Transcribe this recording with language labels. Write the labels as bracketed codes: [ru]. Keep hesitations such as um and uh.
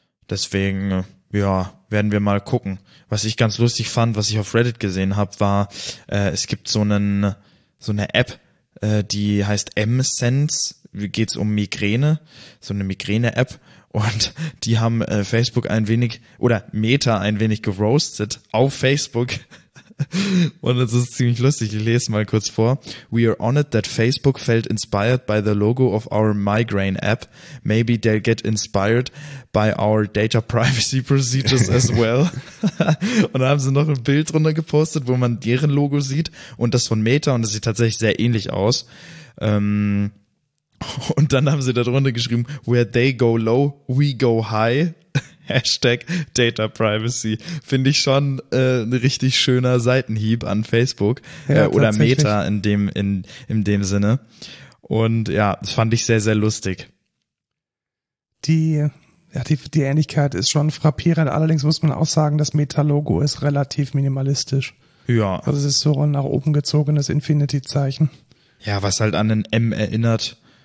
[de] Deswegen, äh, ja, werden wir mal gucken. Was ich ganz lustig fand, was ich auf Reddit gesehen habe, war, äh, es gibt so einen, so eine App, äh, die heißt M-Sense. Wie Geht's um Migräne? So eine Migräne-App. Und die haben äh, Facebook ein wenig oder Meta ein wenig geroastet auf Facebook. Und das ist ziemlich lustig. Ich lese mal kurz vor. [en] We are honored that Facebook felt inspired by the logo of our migraine app. Maybe they'll get inspired by our data privacy procedures as well. [de] und da haben sie noch ein Bild drunter gepostet, wo man deren Logo sieht und das von Meta und das sieht tatsächlich sehr ähnlich aus. Ähm, und dann haben sie da drunter geschrieben, [en] where they go low, we go high. [de] Hashtag Data Privacy. Finde ich schon äh, ein richtig schöner Seitenhieb an Facebook Ja, äh, oder tatsächlich. Meta in dem, in, in dem Sinne. Und ja, das fand ich sehr, sehr lustig. Die, ja, die, die Ähnlichkeit ist schon frappierend. Allerdings muss man auch sagen, das Meta-Logo ist relativ minimalistisch. Ja. Also es ist so ein nach oben gezogenes Infinity-Zeichen. Ja, was halt an den M erinnert.